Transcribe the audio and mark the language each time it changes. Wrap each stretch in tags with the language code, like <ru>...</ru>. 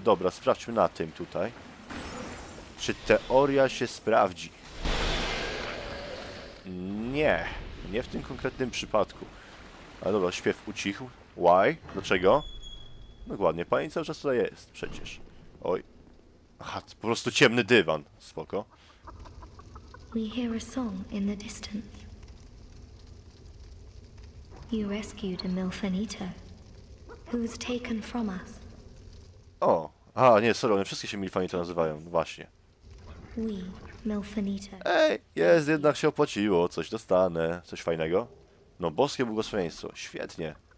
<pl>Dobra, sprawdźmy na tym tutaj. Czy teoria się sprawdzi? Nie. Nie w tym konkretnym przypadku. Ale dobra, śpiew ucichł.</pl> <en>Why?</en> <pl>Dlaczego? Dokładnie, pani cały czas tutaj jest przecież. Oj. Aha, to po prostu ciemny dywan. Spoko.</pl> <en>We hear a song in the distance. You rescued a Milfinito, who was taken from us.</en> <pl>O, a nie, sorry, one wszystkie się Milfinito nazywają, właśnie. We, Milfinito. Ej, jest, jednak się opłaciło, coś dostanę, coś fajnego. No, boskie błogosławieństwo, świetnie.</pl>